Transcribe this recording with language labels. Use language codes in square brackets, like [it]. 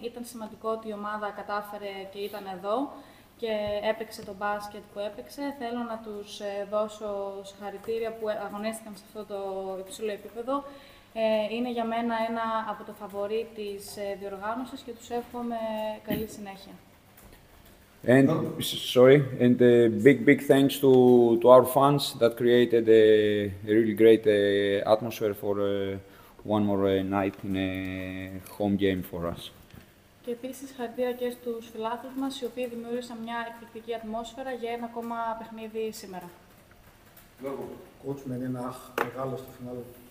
[el] Ήταν σημαντικό ότι η ομάδα κατάφερε και ήταν εδώ και έπαιξε το μπάσκετ που έπαιξε. Θέλω να τους δώσω συγχαρητήρια που αγωνίστηκαν σε αυτό το υψηλό επίπεδο. Είναι για μένα ένα από το φαβορί της διοργάνωσης και τους εύχομαι καλή συνέχεια. [en] And sorry, and a big thanks to our fans that created a really great atmosphere for one more night in a home game for us. [el] Και επίσης χαρακτήρα και στους φιλάθλους μας, οι οποίοι δημιούργησαν μια εκπληκτική ατμόσφαιρα για ένα ακόμα παιχνίδι σήμερα. Λόγω, κότσουμε ένα αχ μεγάλο στο φινάλο.